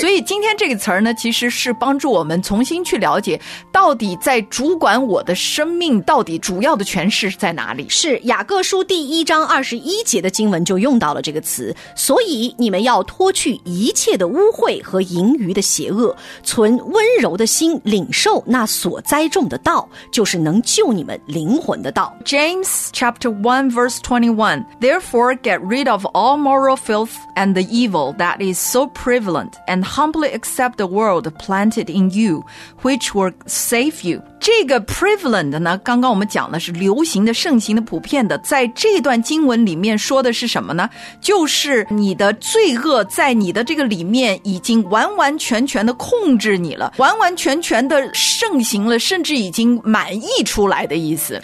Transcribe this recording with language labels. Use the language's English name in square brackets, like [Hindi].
[Chinese] 所以今天这个词儿呢其实是帮助我们重新去了解到底在主管我的生命到底主要的权势在哪里。是，雅各书第一章二十一节的经文就用到了这个词，所以你们要脱去一切的污秽和淫余的邪恶，存温柔的心领受那所栽种的道，就是能救你们灵魂的道。 [English] James chapter 1 verse 21 Therefore get rid of all moral filth and the evil that is so prevalent and humbly accept the word planted in you which will save you. [Chinese] 这个 prevalent 呢，刚刚我们讲的是流行的、盛行的、普遍的，在这段经文里面说的是什么呢？就是你的罪恶在你的这个里面已经完完全全的控制你了，完完全全的盛行了，甚至已经满溢出来的意思。